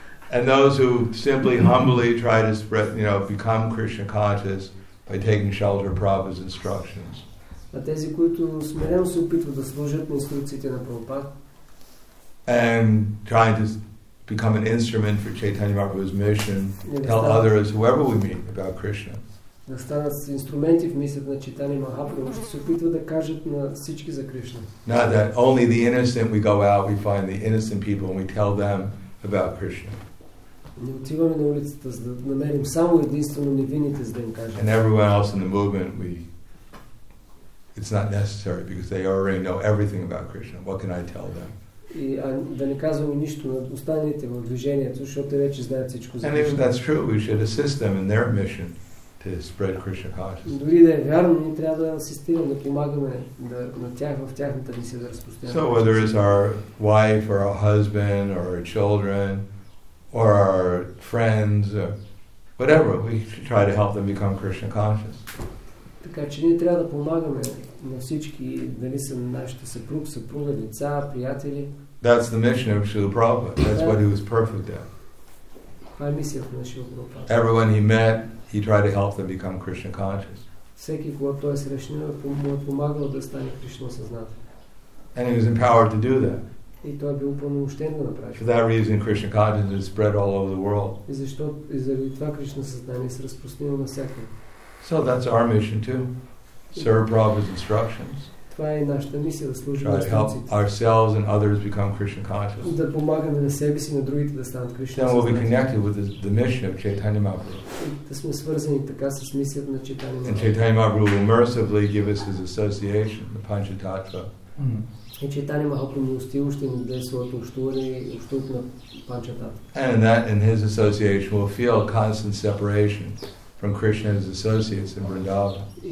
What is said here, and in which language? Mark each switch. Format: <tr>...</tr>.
<en>And those who simply humbly try to spread, you know, become Krishna conscious by taking shelter of Prabhupada's instructions.</en> <bg>А тези, които смирено се опитват да служат на инструкциите на Прабхупада.</bg> <en>And trying to become an instrument for Chaitanya Mahaprabhu's mission, tell others, whoever we meet, about Krishna.</en> <bg>Да станат инструменти в мисията на Чайтанья Махапрабху, ще се опитват да кажат на всички за Кришна.</bg> <en>Not that only the innocent, we go out, we find the innocent people, and we tell them about Krishna.</en> <bg>Не отиваме на улицата, за да намерим само единствено невинните, за да им кажем.</bg> <en>And everyone else in the movement, it's not necessary, because they already know everything about Krishna. What can I tell them?</en> <bg>И да не казваме нищо на останалите в движението, защото вече знаят всичко за</bg> <en>Кришна. And if that's true, we should assist them in their mission to spread Krishna consciousness.</en> <bg>Дори да е вярно, ние трябва да асистираме, да помагаме на тях в тяхната мисия да разпространяват.</bg> <en>So whether it's our wife or our husband or our children or our friends or whatever, we should try to help them become Krishna conscious.</en> <bg>Така че ние трябва да помагаме на всички, дали са нашите съпруга, деца, приятели.</bg> <en>That's the mission of Srila Prabhupada. That's what he was perfect at.</en> <bg>Това е мисията на Шрила Прабхупада.</bg> <en>Everyone he met, he tried to help them become Krishna conscious.</en> <bg>Всеки, когато той срещнал, му е помагал да стане Кришна съзнател.</bg> <en>And he was empowered to do that.</en> <bg>И той бил упълномощен да направи.</bg> <en>For that reason, Krishna consciousness spread all over the world.</en> <bg>И заради това Кришна съзнание се разпространило навсякъде.</bg> <en>So that's our mission too. Serve Prabhupada's instructions.</en> <bg>Това е нашата мисия, да служим на инструкциите.</bg> <en>Try to help ourselves and others become Krishna conscious.</en> <bg>Да помагаме на себе си, на другите да станат Кришна съзнателни.</bg> <en>Then we'll be connected with the mission of Chaitanya Mahaprabhu.</en> <bg>Да сме свързани така с мисията на Чайтанья Махапрабху.</bg> <en>And Chaitanya Mahaprabhu will mercifully give us his association, the Panchatattva.</en> <bg>И Чайтанья Махапрабху милостиво ще ни даде своето общуване и общуването на Панчататва.</bg> <en>And that in his association will feel a constant separation from Krishna's associates in Vrindavan.</en>